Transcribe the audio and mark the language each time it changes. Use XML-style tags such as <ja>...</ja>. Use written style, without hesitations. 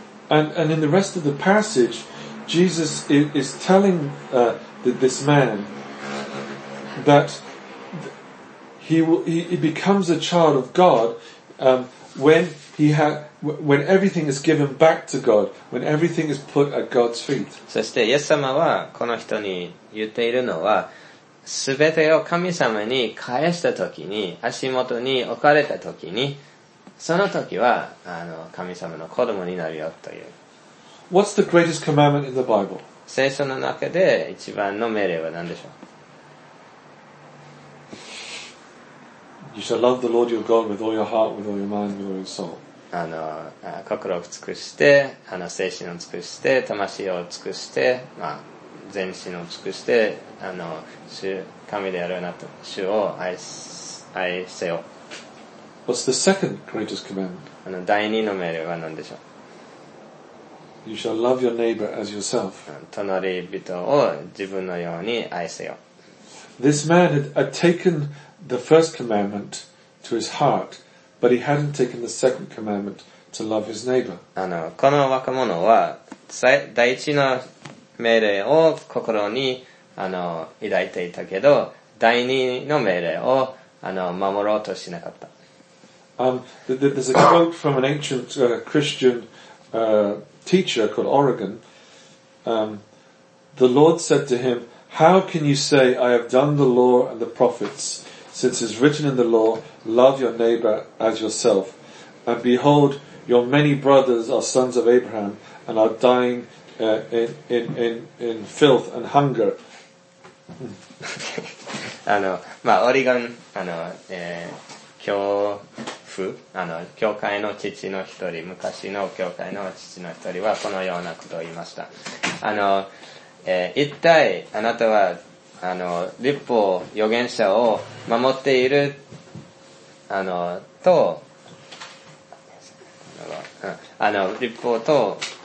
<en>And in the rest of the passage, Jesus is telling this man that he becomes a child of God when everything is given back to God, when everything is put at God's feet.</en> <ja>そしてイエス様はこの人に言っているのは、すべてを神様に返したときに、足元に置かれたときに、その時は、あの、神様の子供になるよという。</ja> <en>What's the greatest commandment in the Bible?</en> <ja>聖書の中で一番の命令は何でしょう?</ja> <en>You shall love the Lord your God with all your heart, with all your mind, with all your soul.</en> <ja>あの、心を尽くして、あの、精神を尽くして、魂を尽くして、まあ、全身を尽くして、あの、神であるなと、主を愛せよ。</ja> <en>What's the second greatest commandment?</en> <ja>あの、第二の命令は何でしょう?</ja> <en>You shall love your neighbor as yourself.</en> <ja>隣人を自分のように愛せよ。</ja> <en>This man had taken the first commandment to his heart, but he hadn't taken the second commandment to love his neighbor.</en> <ja>あの、この若者は第一の命令を心に、あの、抱いていたけど、第二の命令を、あの、守ろうとしなかった。</ja> <en>There's a quote from an ancient Christian teacher called Origen. The Lord said to him, How can you say, I have done the law and the prophets, since it's written in the law, love your neighbor as yourself. And behold, your many brothers are sons of Abraham and are dying in filth and hunger.</en> <ja>あの、まあ、オリガン、あの、今日、あの、教会の父の一人、昔の教会の父の一人はこのようなことを言いました。あの、一体あなたは、あの、律法、預言者を守っている、あの、と、あの、律法と、</ja>